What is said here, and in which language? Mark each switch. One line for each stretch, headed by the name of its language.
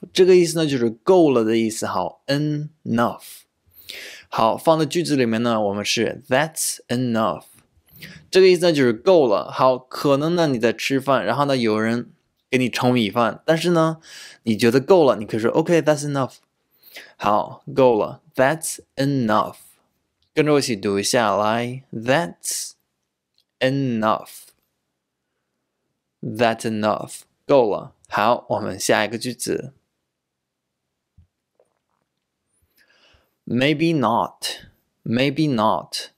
Chinese: 这个意思呢，就是够了的意思。好 ，enough. 好，放在句子里面呢，我们是
English: that's enough.
Chinese: 这个意思呢，就是够了。好，可能呢你在吃饭，然后呢有人给你盛米饭，但是呢你觉得够了，你可以说
English: OK, that's enough.
Chinese: 好，够了 ，
English: that's enough.
Chinese: 跟着我一起读一下来 ，
English: That's enough. That's enough.
Chinese: 够了。好，我们下一个句子。
English: Maybe not. Maybe not.